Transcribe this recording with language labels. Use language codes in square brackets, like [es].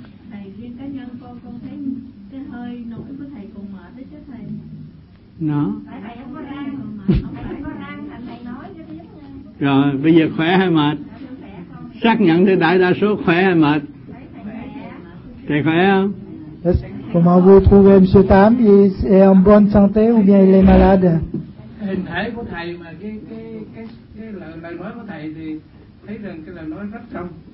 [vi] Thầy, riêng cá nhân con thấy cái hơi nổi của thầy còn mệt đấy chứ thầy. Nó. Thầy không có răng, không phải có răng thầy nói chứ. Rồi bây giờ khỏe hay mệt? Xác nhận thì đại đa số khỏe hay mệt? Thầy khỏe. Thầy khỏe không? [fr] Yes. Comment vous trouvez M. Tam? Il est en bonne santé ou bien il est malade? [vi] Hình thể của thầy mà cái lời nói của thầy thì thấy rằng cái lời nói rất trong,